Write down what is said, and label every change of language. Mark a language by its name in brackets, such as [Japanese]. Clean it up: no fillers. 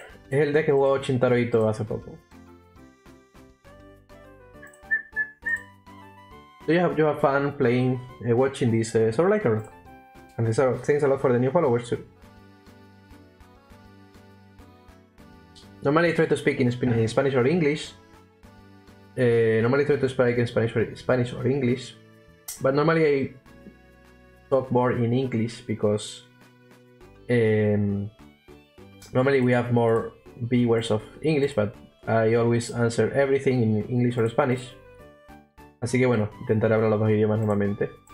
[Spanish] Es el deck que jugó Shintaro Ito hace poco. [English] Do you have fun playing watching this Sword Like a Rock? And so, thanks a lot for the new followers too. Normally I try to speak in Spanish or English. Normally I try to speak in Spanish or English. But normally I talk more in English because normally we have more viewers of English, but I always answer everything in English or Spanish. [Spanish] Así que bueno, intentaré hablar los dos idiomas normalmente.